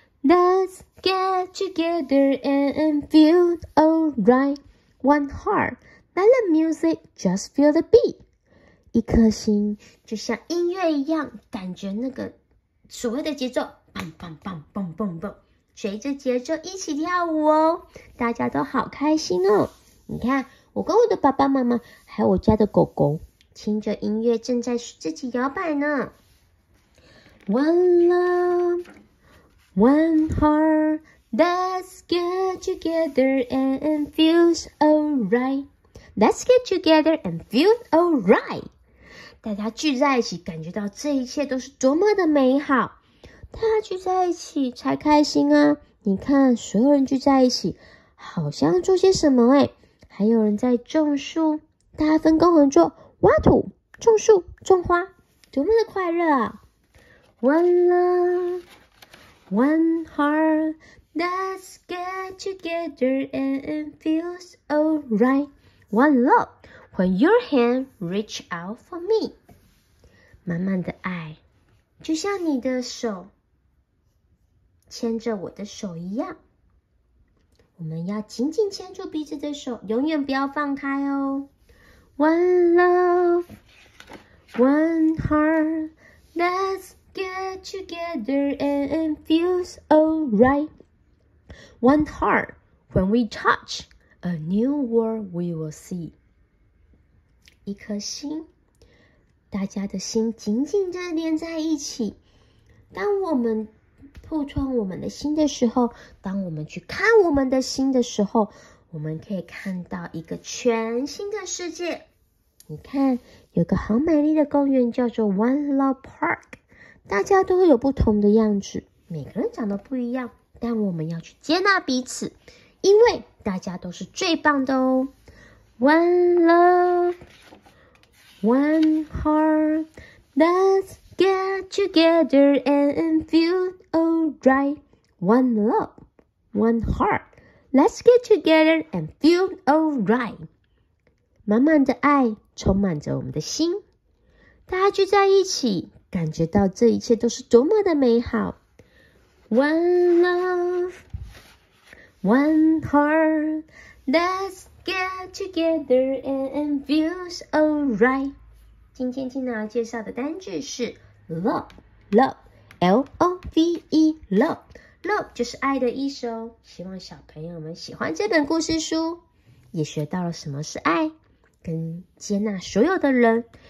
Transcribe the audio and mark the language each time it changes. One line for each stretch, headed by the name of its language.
English: Let's get together and feel alright. One heart, let the music just feel the beat.
Chinese: 一颗心就像音乐一样，感觉那个所谓的节奏，棒棒棒棒棒棒，随着节奏一起跳舞哦。大家都好开心哦。你看，我跟我的爸爸妈妈还有我家的狗狗，听着音乐正在自己摇摆呢。
English: One love, one heart, let's get together and feel alright. Let's get together and feel alright.
Chinese: 大家聚在一起，感觉到这一切都是多么的美好。大家聚在一起才开心啊！你看，所有人聚在一起，好像做些什么还有人在种树，大家分工合作，挖土、种树、种花，多么的快乐啊！
English: One love, one heart, let's get together and feels alright. One love, when your hand reach out for me.
Chinese: 满满的爱，就像你的手牵着我的手一样。我们要紧紧牵住彼此的手，永远不要放开哦。
English: One love, one heart, let's get together and feels alright. One heart, when we touch, a new world we will see.
Chinese: 一颗心，大家的心紧紧地连在一起。当我们碰撞我们的心的时候，当我们去看我们的心的时候，我们可以看到一个全新的世界。你看，有个好美丽的公园叫做 One Love Park， 大家都会有不同的样子，每个人长得不一样，但我们要去接纳彼此，因为大家都是最棒的哦。
English: One Love One Heart Let's get together and feel alright. One love, one heart. Let's get together and feel alright.
Chinese: 满满的爱充满着我们的心，大家聚在一起，感觉到这一切都是多么的美好。
English: One love, one heart. Let's get together and feel alright.
Chinese: 今天Tina要介绍的单句是
English: Love, love, L-O-V-E, love, love
Chinese: 就是爱的意思哦。希望小朋友们喜欢这本故事书，也学到了什么是爱，跟接纳所有的人。